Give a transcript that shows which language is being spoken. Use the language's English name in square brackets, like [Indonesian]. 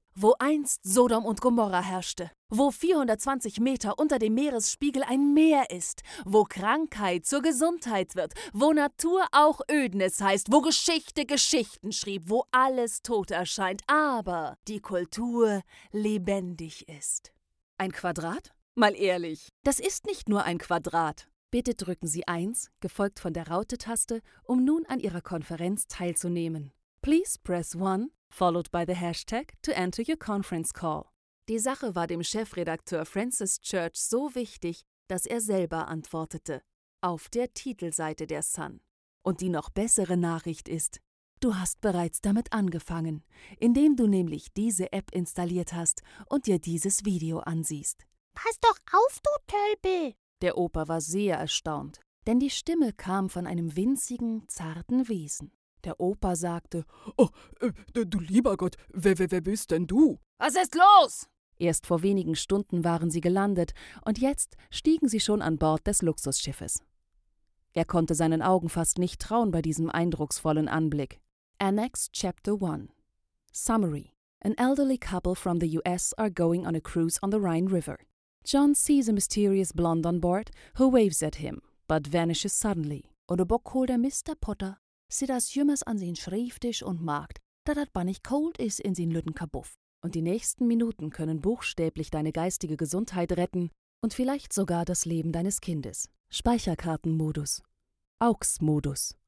[German] Wo einst Sodom und Gomorra herrschte, wo 420 Meter unter dem Meeresspiegel ein Meer ist, wo Krankheit zur Gesundheit wird, wo Natur auch Ödnis heißt, wo Geschichte Geschichten schrieb, wo alles tot erscheint, aber die Kultur lebendig ist. Ein Quadrat? Mal ehrlich, das ist nicht nur ein Quadrat. Bitte drücken Sie 1, gefolgt von der Raute-Taste, um nun an Ihrer Konferenz teilzunehmen. [English] Please press 1. Followed by the hashtag to enter your conference call. [German] Die Sache war dem Chefredakteur Francis Church so wichtig, dass er selber antwortete. Auf der Titelseite der Sun. Und die noch bessere Nachricht ist, du hast bereits damit angefangen, indem du nämlich diese App installiert hast und dir dieses Video ansiehst. Pass doch auf, du Tölpel! Der Opa war sehr erstaunt, denn die Stimme kam von einem winzigen, zarten Wesen. Der Opa sagte, du lieber Gott, wer bist denn du? Was ist los? Erst vor wenigen Stunden waren sie gelandet und jetzt stiegen sie schon an Bord des Luxusschiffes. Er konnte seinen Augen fast nicht trauen bei diesem eindrucksvollen Anblick. [English] Annex Chapter 1. Summary. An elderly couple from the US are going on a cruise on the Rhine River. John sees a mysterious blonde on board who waves at him, but vanishes suddenly. [German] Und der Bockholder Mr. Potter sieht das Jümmers an seinen Schreibtisch und merkt, dass das Bannig cold ist in seinen lütten Kabuff. Und die nächsten Minuten können buchstäblich deine geistige Gesundheit retten und vielleicht sogar das Leben deines Kindes. Speicherkartenmodus. AUX-Modus.